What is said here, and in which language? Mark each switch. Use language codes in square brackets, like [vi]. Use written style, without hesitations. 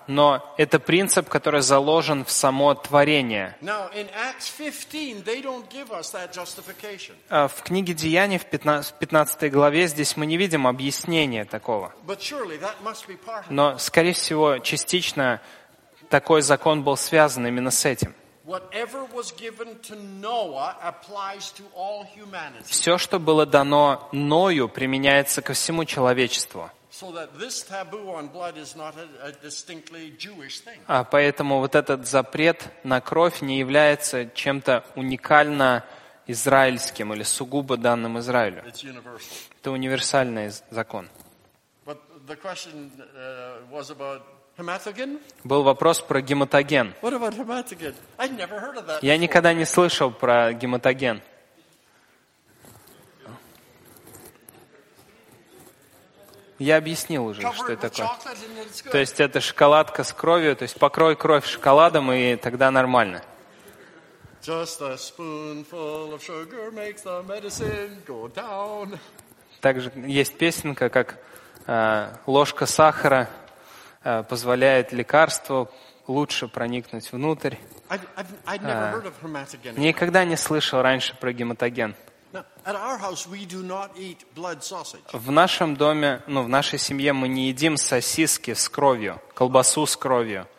[ru] Но это принцип, который заложен в само творение. [en] Now, in Acts 15, they don't give us that justification. [ru] В книге Деяний, в 15 главе, здесь мы не видим объяснения такого. [en] But surely that must be part of it. [ru] Но, скорее всего, частично такой закон был связан именно с этим. [en] Whatever was given to Noah applies to all humanity. [ru] Все, что было дано Ною, применяется ко всему человечеству. [en] So that this taboo on blood is not a distinctly Jewish thing. [ru] А поэтому вот этот запрет на кровь не является чем-то уникально израильским или сугубо данным Израилю. [en] It's universal. [ru] Это универсальный закон. [en] But the question was about hematogen? [ru] Был вопрос про гематоген. [en] What about hematogen? I never heard of that. [ru] Я никогда не слышал про гематоген. Я объяснил уже, что это такое. То есть это шоколадка с кровью, то есть покрой кровь шоколадом, и тогда нормально. [en] Just a spoonful of sugar makes the medicine go down. [ru] Также есть песенка, как ложка сахара позволяет лекарству лучше проникнуть внутрь. [en] I've never heard of hematogen. [ru] Никогда не слышал раньше про гематоген. [en] Now, at our house we do not eat blood sausage. [ru] В нашем доме, ну, в нашей семье мы не едим сосиски с кровью, колбасу с кровью.